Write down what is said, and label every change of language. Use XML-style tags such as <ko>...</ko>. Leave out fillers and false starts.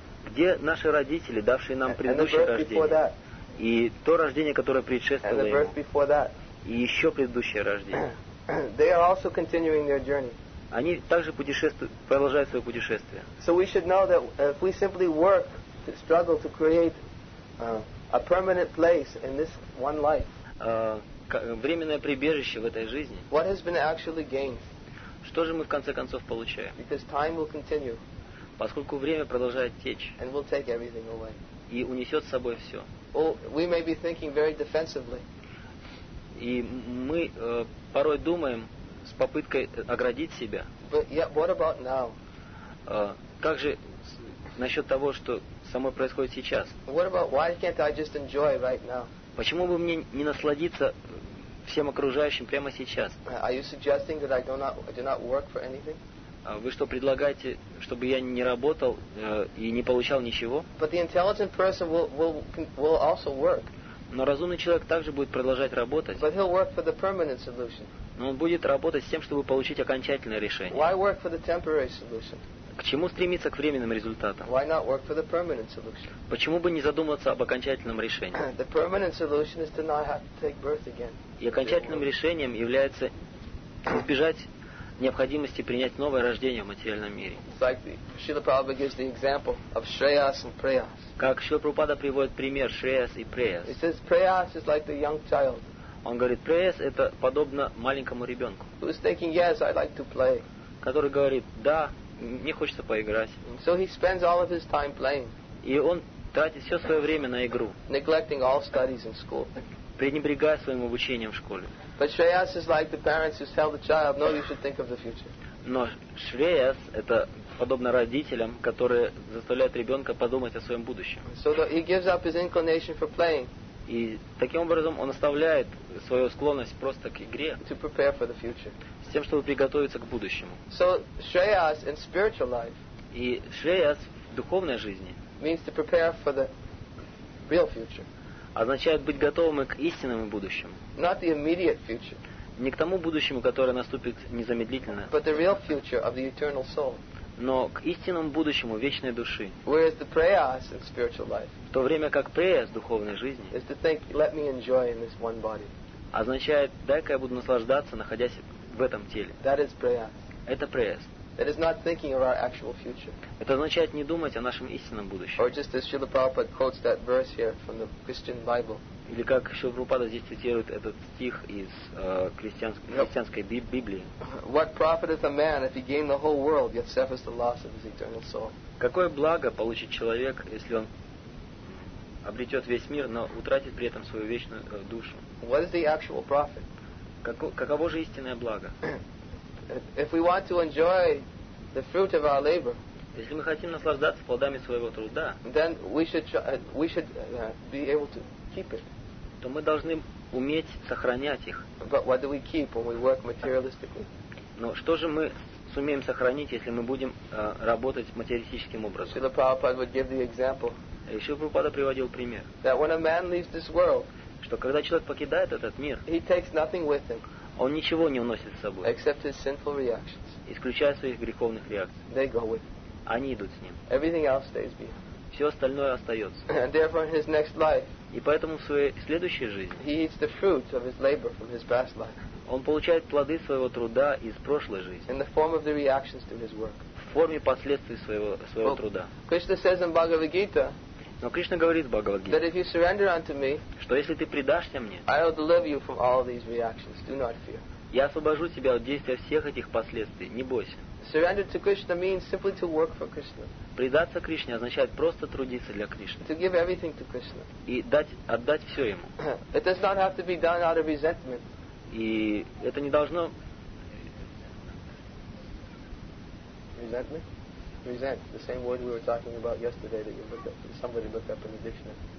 <ru>Где наши родители, давшие нам предыдущее рождение? И то рождение, которое предшествовало ему. И еще предыдущее рождение.</ru> <en>They are also continuing their journey.</en> <ru>Они также продолжают свое путешествие.</ru> <en>So we should know that if we simply work to struggle to create a permanent place in this one life.</en> <ru>Временное прибежище в этой жизни.</ru> <en>What has been actually gained?</en> <ru>Что же мы в конце концов получаем?</ru> <en>Because time will continue.</en> <ru>Поскольку время продолжает течь.</ru> <en>And we'll take everything away.</en> <ru>И унесет с собой все.</ru> <en>Well, we may be thinking very defensively.</en> <ru>И мы порой думаем с попыткой оградить себя.</ru> <en>But yet, what about now?</en> <ru>Как же насчет того, что со мной происходит сейчас?</ru> <en>What about, why can't I just enjoy right now?</en> <ru>Почему бы мне не насладиться всем окружающим прямо сейчас?</ru> <en>Are you suggesting that I do not work for anything?</en> <ru>Вы что, предлагаете, чтобы я не работал и не получал ничего?</ru> <en>But the intelligent person will also work.</en> <ru>Но разумный человек также будет продолжать работать.</ru> <en>But he'll work for the permanent solution.</en> <ru>Но он будет работать с тем, чтобы получить окончательное решение.</ru> <en>Why work for the temporary solution?</en> <ru>К чему стремиться к временным результатам?</ru> <en>Why not work for the permanent solution?</en> <ru>Почему бы не задуматься об окончательном решении?</ru> <en>The permanent solution is to not have to take birth again.</en> <ru>И окончательным решением является избежать необходимости принять новое рождение в материальном мире. Как Шрила Прабхупада приводит пример Шреяс и Преяс.</ru> <en>He says Preyas is like the young child.</en> <ru>Он говорит, Преяс это подобно маленькому ребенку.</ru> <en>Who's thinking, yes, I like to play.</en> <ru>Который говорит, да, мне хочется поиграть.</ru> <en>So he spends all of his time playing.</en> <ru>И он тратит все свое время на игру.</ru> <en>Neglecting all studies in school.</en> <ru>Пренебрегая своим обучением в школе.</ru> <en>But Shreyas is like the parents who tell the child, no, you should think of the future.</en> <ru>Но Shreyas это подобно родителям, которые заставляют ребенка подумать о своем будущем.</ru> <en>So he gives up his inclination for playing.</en> <ru>И таким образом он оставляет свою склонность просто к игре.</ru> <en>To prepare for the future.</en> <ru>С тем, чтобы приготовиться к будущему.</ru> <en>So Shreyas in spiritual life.</en> <ru>И Shreyas в духовной жизни.</ru> <en>Means to prepare for the real future.</en> <ru>Означает быть готовым к истинному будущему.</ru> <en>Not the immediate future.</en> <ru>Не к тому будущему, которое наступит незамедлительно.</ru> <en>But the real future of the eternal soul.</en> <ru>Но к истинному будущему вечной души.</ru> <en>Whereas the prayas in spiritual life.</en> <ru>В то время как prayas духовной жизни.</ru> <en>Is to think, let me enjoy in this one body.</en> <ru>Означает, дай-ка я буду наслаждаться, находясь в этом теле.</ru> <en>That is prayas.</en> <ru>Это prayas.</ru> <en>It is not thinking of our actual future.</en> <ru>Это означает не думать о нашем истинном будущем.</ru> <en>Or just as Srila Prabhupada quotes that verse here from the Christian Bible.</en> <ru>Или как Шрила Прабхупада здесь цитирует этот стих из христианской Библии.</ru> <en>What profit is a man if he gain the whole world yet suffers the loss of his eternal soul?</en> <ru>Какое благо получит человек, если он обретет весь мир, но утратит при этом свою вечную душу?</ru> <en>What is the actual profit?</en> <ru>Каково же истинное благо?</ru> <en>If we want to enjoy the fruit of our labor,</en> <ru>если мы хотим наслаждаться плодами своего труда,</ru> <en>then we should be able to keep it.</en> <ru>То мы должны уметь сохранять их.</ru> <en>But what do we keep when we work materialistically?</en> <ru>Но что же мы сумеем сохранить, если мы будем работать материалистическим образом.</ru> <en>Srila Prabhupada would give the example.</en> <ru>И Шрила Прабхупада приводил пример.</ru> <en>That when a man leaves this world,</en> <ru>что когда человек покидает этот мир,</ru> <en>he takes nothing with him,</en> <ru>он ничего не уносит с собой,</ru> <en>except his sinful reactions.</en> <ru>Исключая своих греховных реакций.</ru> <en>They go with him.</en> <ru>Они идут с ним.</ru> <en>Everything else stays behind.</en> <ru>Все остальное остается.</ru> <en>And therefore in his next life,</en> <ru>и поэтому в своей следующей жизни</ru> <en>he eats the fruit of his labor from his past life.</en> <ru>Он получает плоды своего труда из прошлой жизни.</ru> <en>In the form of the reactions to his work.</en> <ru>В форме последствий своего труда.</ru> <en>Krishna says in Bhagavad Gita,</en> <ru>но Кришна говорит в Бхагавад-гите,</ru> <en>that if you surrender unto me,</en> <ru>что если ты предашься мне,</ru> <en>I will deliver you from all these reactions. Do not fear.</en> <ru>Я освобожу тебя от действия всех этих последствий. Не бойся.</ru> <en>Surrender to Krishna means simply to work for Krishna.</en> <ru>Предаться Кришне означает просто трудиться для Кришны.</ru> <en>To give everything to Krishna.</en> <ru>И отдать все ему.</ru> <en>It does not have to be done out of resentment.</en> <ru>И это не должно.</ru> <en>Resentment? Resent. The same word we were talking about yesterday that you looked up, that somebody looked up in the dictionary.</en>